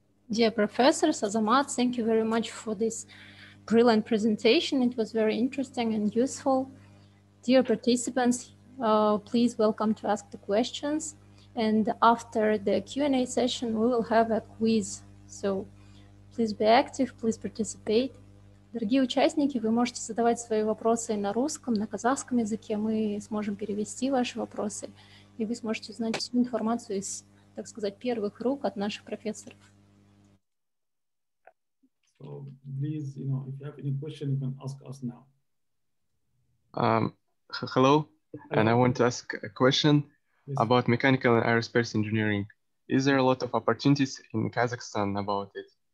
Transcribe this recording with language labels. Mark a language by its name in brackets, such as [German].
[English] Dear Professor Azamat, thank you very much for this brilliant presentation. It was very interesting and useful. Dear participants, please welcome to ask the questions. And after the Q&A session, we will have a quiz. So please be active, please participate. [Russian] Дорогие участники, вы можете задавать свои вопросы на русском, на казахском языке, мы сможем перевести ваши вопросы, и вы сможете узнать всю информацию из, так сказать, первых рук от наших профессоров. [English] So please, you know, if you have any question, you can ask us now. Hello, and I want to ask a question about mechanical and aerospace engineering. Is there a lot of opportunities in Kazakhstan about it?